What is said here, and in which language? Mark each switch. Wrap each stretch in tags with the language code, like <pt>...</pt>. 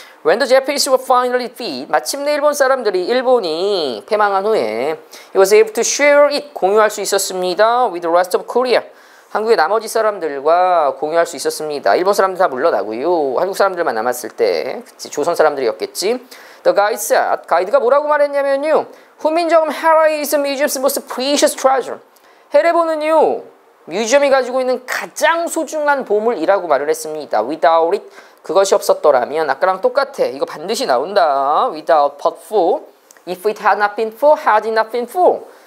<en>When the Japanese were finally freed,</en> <ko>마침내 일본 사람들이 일본이 패망한 후에</ko> <en>he was able to share it</en> <ko>공유할 수 있었습니다.</ko> <en>With the rest of Korea</en> <ko>한국의 나머지 사람들과 공유할 수 있었습니다. 일본 사람들 다 물러나고요. 한국 사람들만 남았을 때 그치, 조선 사람들이었겠지.</ko> <en>The guide said,</en> <ko>가이드가 뭐라고 말했냐면요.</ko> <en>훈민정음 헤레 is the museum's most precious treasure.</en> <ko>헤레본은요, 뮤지엄이 가지고 있는 가장 소중한 보물이라고 말을 했습니다.</ko> <en>Without it,</en> <ko>그것이 없었더라면, 아까랑 똑같아. 이거 반드시 나온다.</ko> <en>Without, but for, if it had not been for, had it not been for.</en>